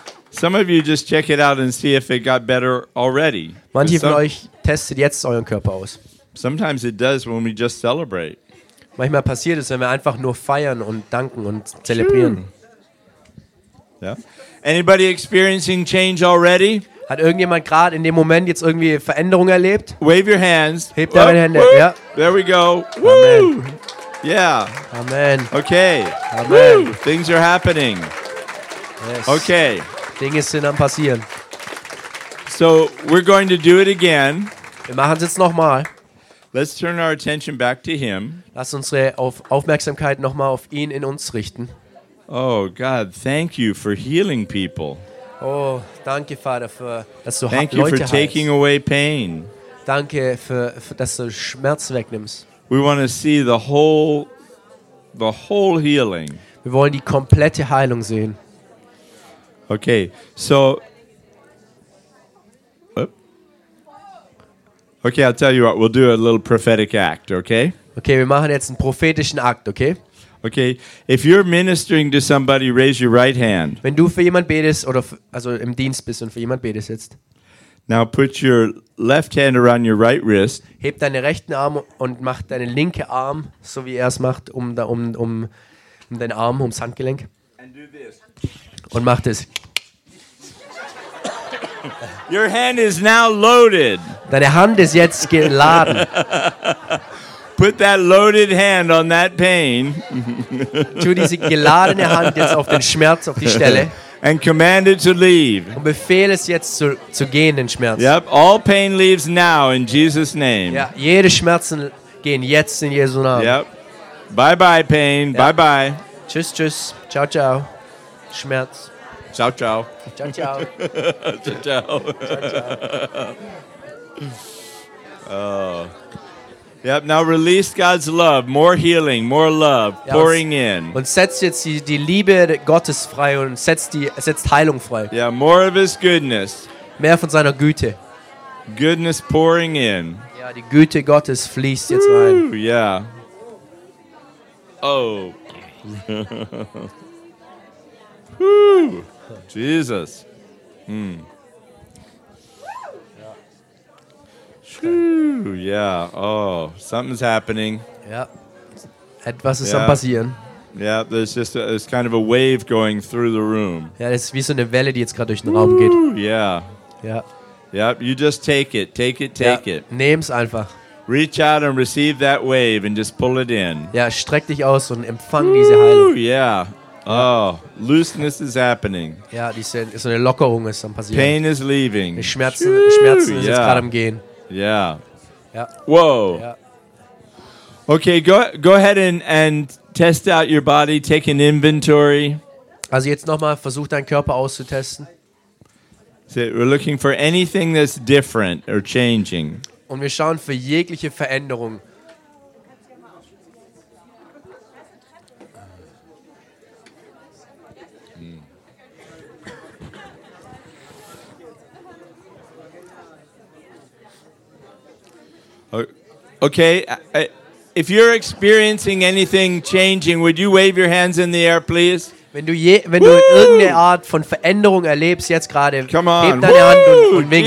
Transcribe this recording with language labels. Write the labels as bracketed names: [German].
[English] Some of you just check it out and see if it got better already. [German] Manche von euch testet jetzt euren Körper aus. [English] Sometimes it does when we just celebrate. [German] Manchmal passiert es, wenn wir einfach nur feiern und danken und zelebrieren. [English] Sure. Yeah. Anybody experiencing change already? [German] Hat irgendjemand gerade in dem Moment jetzt irgendwie Veränderung erlebt? [English] Wave your hands. [German] Hebt deine Hände. Ja. [English] There we go. Woo! Amen. Yeah. Amen. Okay. Amen. Woo! Things are happening. Yes. Okay. [German] Dinge sind am passieren. [English] So we're going to do it again. [German] Wir machen es jetzt nochmal. [English] Let's turn our attention back to him. [German] Lass unsere Aufmerksamkeit nochmal auf ihn in uns richten. [English] Oh God, thank you for healing people. [German] Oh, danke Vater für dass du [English] thank [German] Leute [English] you for Taking away pain. [German] Danke für dass du Schmerz wegnimmst. [English] We want to see the whole healing. [German] Wir wollen die komplette Heilung sehen. [English] Okay, so. Okay, I'll tell you what. We'll do a little prophetic act, okay? [German] Okay, wir machen jetzt einen prophetischen Akt, okay? [English] Okay, if you're ministering to somebody, raise your right hand. [German] Wenn du für jemand betest oder also im Dienst bist und für jemand betest jetzt. [English] Now put your left hand around your right wrist. [German] Heb deine rechten Arm und mach deine linke Arm so wie er es macht um deinen Arm ums Handgelenk. [English] And do this. [German] Und macht es. [English] Your hand is now loaded. [German] Deine Hand ist jetzt geladen. [English] Put that loaded hand on that pain. [German] Tu diese geladene Hand jetzt auf den Schmerz auf die Stelle. [English] And command it to leave. [German] Und befehle es jetzt zu gehen den Schmerz. [English] Yep, all pain leaves now in Jesus' name. [German] Ja, jede Schmerzen gehen jetzt in Jesu Namen. [English] Yep. Bye bye pain. Ja. Bye bye. [German] Tschüss tschüss. Ciao ciao. Schmerz. Ciao, ciao. Ciao, ciao. Ciao, ciao. Ciao, ciao. Oh. [English] Yep, now release God's love. More healing, more love, ja, pouring in. [German] Und setzt jetzt die Liebe Gottes frei und setzt Heilung frei. [English] Yeah, more of his goodness. [German] Mehr von seiner Güte. [English] Goodness pouring in. [German] Ja, die Güte Gottes fließt jetzt rein. [English] Yeah. Oh. Woo! Jesus. Hmm. Yeah. Oh, something's happening. [German] Yeah. Etwas ist am passieren. [English] Yeah, there's just it's kind of a wave going through the room. [German] Ja, es ist wie so eine Welle, die jetzt gerade durch den Raum geht. [English] Yeah. Yeah. Yeah, you just take it. Take it, take it. [German] Nehm's einfach. [English] Reach out and receive that wave and just pull it in. [German] Ja, streck dich aus und empfang diese Heilung. [English] Yeah. Oh, looseness is happening. [German] Ja, so eine Lockerung ist dann passiert. [English] Pain is leaving. [German] Schmerzen sind jetzt gerade am Gehen. [English] Yeah. [German] Ja. [English] Whoa. Yeah. Okay, go ahead and test out your body. Take an inventory. [German] Also jetzt nochmal, versuch deinen Körper auszutesten. [English] So we're looking for anything that's different or changing. [German] Und wir schauen für jegliche Veränderung. [English] Okay, if you're experiencing anything changing, would you wave your hands in the air, please? [German] Wenn du irgendeine Art von Veränderung erlebst jetzt gerade, heb deine Hand und wink.